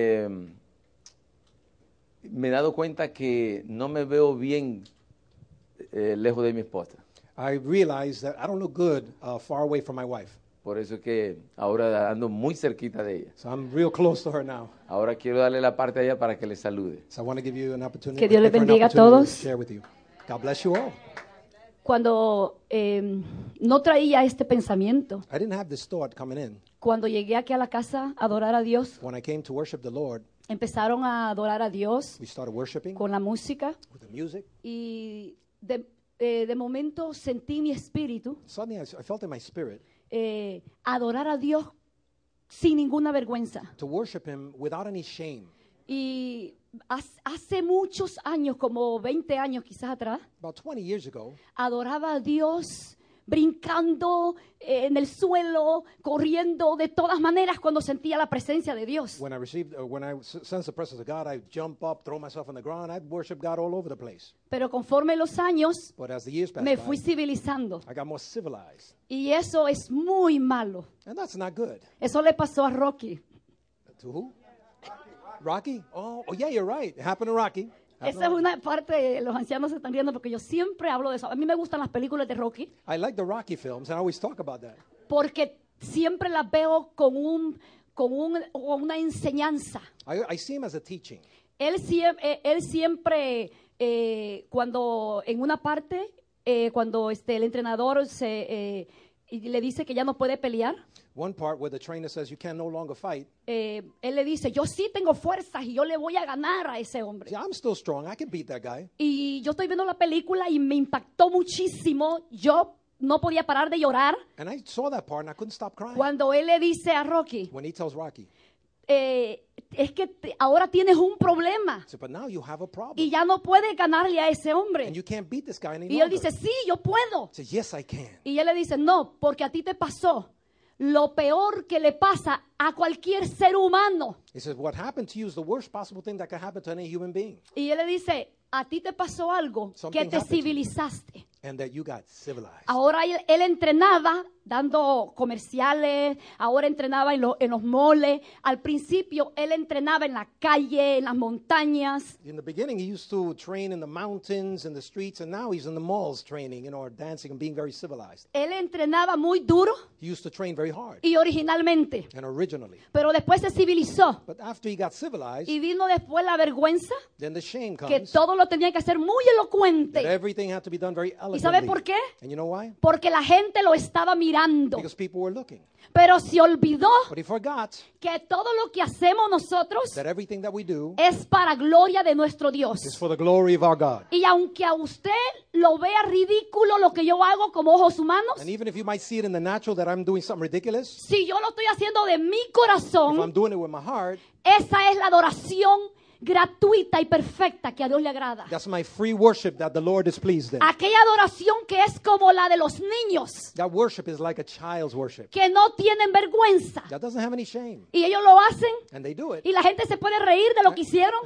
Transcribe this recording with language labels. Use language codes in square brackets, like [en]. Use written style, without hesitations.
[es] Me he dado cuenta que no me veo bien lejos de mi esposa. [en] I realize that I don't look good far away from my wife. [es] Por eso que ahora ando muy cerquita de ella. [en] So I'm real close to her now. [es] Ahora quiero darle la parte a ella para que le salude. [en] So I want to give you an opportunity. [es] Que Dios le bendiga a todos. [en] To share with you. God bless you all. [es] Cuando no traía este pensamiento. [en] I didn't have this thought coming in. [es] Cuando llegué aquí a la casa a adorar a Dios. [en] When I came to worship the Lord. [es] Empezaron a adorar a Dios. [en] We started worshiping. [es] Con la música. [en] With the music. [es] Y de momento sentí mi espíritu. [en] Suddenly I felt in my spirit. [es] Adorar a Dios sin ninguna vergüenza. [en] To worship him without any shame. [es] Y hace muchos años, como 20 años quizás atrás, [en] about 20 years ago, [es] adoraba a Dios brincando en el suelo, corriendo de todas maneras cuando sentía la presencia de Dios. [en] When I received, when I sense the presence of God, I jump up, throw myself on the ground, I'd worship God all over the place. [es] Pero conforme los años, [en] but as the years passed [es] me fui [en] by, [es] civilizando. [en] I got more civilized. [es] Y eso es muy malo. [en] And that's not good. [es] Eso le pasó a Rocky. [en] To who? Rocky? Oh, yeah, you're right. It happened to Rocky. [es] Esa es una parte, los ancianos se están riendo porque yo siempre hablo de eso. A mí me gustan las películas de Rocky. [en] I like the Rocky films and I always talk about that. [es] Porque siempre las veo con una enseñanza. [en] I see him as a teaching. [es] Él siempre, cuando en una parte, cuando el entrenador le dice que ya no puede pelear. [en] One part where the trainer says you can no longer fight. [es] Él le dice, yo sí tengo fuerzas y yo le voy a ganar a ese hombre. [en] See, I'm still strong. I can beat that guy. [es] Y yo estoy viendo la película y me impactó muchísimo. Yo no podía parar de llorar. [en] And I saw that part and I couldn't stop crying. [es] Cuando él le dice a Rocky. [en] When he tells Rocky. [es] Es que ahora tienes un problema. [en] So, but now you have a problem. [es] Y ya no puedes ganarle a ese hombre. [en] And you can't beat this guy any longer. [es] Y él dice, sí, yo puedo. [en] So, yes, I can. [es] Y él le dice, no, porque a ti te pasó. Lo peor que le pasa a cualquier ser humano. [en] He says, what happened to you is the worst possible thing that can happen to any human being. [es] Y él le dice, a ti te pasó algo [en] something [es] que te civilizaste. [en] And that you got civilized. [es] Ahora él entrenaba dando comerciales, ahora entrenaba en los moles. Al principio él entrenaba en la calle, en las montañas. [en] In the beginning he used to train in the mountains, in the streets, and now he's in the malls training, you know, or dancing and being very civilized. [es] Él entrenaba muy duro. [en] He used to train very hard. [es] Y originalmente. [en] And originally. [es] Pero después se civilizó. [en] But after he got civilized. [es] Y vino después la vergüenza. [en] Then the shame comes. [es] Que todo lo tenía que hacer muy elocuente. [en] That everything had to be done very. [es] ¿Y sabes por qué? [en] And you know why? [es] Porque la gente lo estaba mirando. [en] Because people were looking. [es] Pero se olvidó. [en] But he forgot [es] que todo lo que hacemos nosotros [en] that everything that we do [es] es para gloria de nuestro Dios. [en] Is for the glory of our God. [es] Y aunque a usted lo vea ridículo lo que yo hago como ojos humanos. [en] And even if you might see it in the natural that I'm doing something ridiculous. [es] Si yo lo estoy haciendo de mi corazón. [en] If I'm doing it with my heart. [es] Esa es la adoración gratuita y perfecta que a Dios le agrada. [en] That's my free worship that the Lord is pleased in. [es] Aquella adoración que es como la de los niños. [en] That worship is like a child's worship. [es] Que no tienen vergüenza. [en] That doesn't have any shame. [es] Y ellos lo hacen. [en] And they do it. [es] Y la gente se puede reír de lo que hicieron.